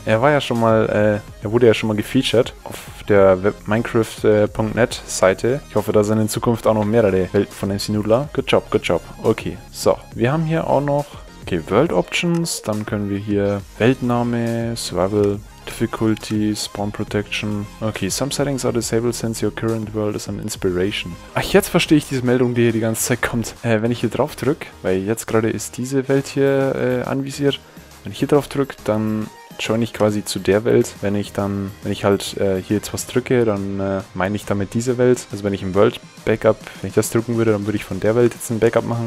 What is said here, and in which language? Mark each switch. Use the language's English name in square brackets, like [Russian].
[German] Er war ja schon mal, er wurde ja schon mal gefeatured auf der Minecraft.net Seite. Ich hoffe, da sind in Zukunft auch noch mehrere Welten von MC Noodler. [English] Good job, good job. [German] Okay, so. Wir haben hier auch noch, okay, World Options. Dann können wir hier Weltname, Survival, Difficulty, Spawn Protection. [English] Okay, some settings are disabled since your current world is an inspiration. [German] Ach, jetzt verstehe ich diese Meldung, die hier die ganze Zeit kommt. Wenn ich hier drauf drücke, weil jetzt gerade ist diese Welt hier anvisiert. Wenn ich hier drauf drücke, dann join ich quasi zu der Welt. Wenn ich dann, hier jetzt was drücke, dann meine ich damit diese Welt. Also wenn ich im World Backup, wenn ich das drücken würde, dann würde ich von der Welt jetzt ein Backup machen.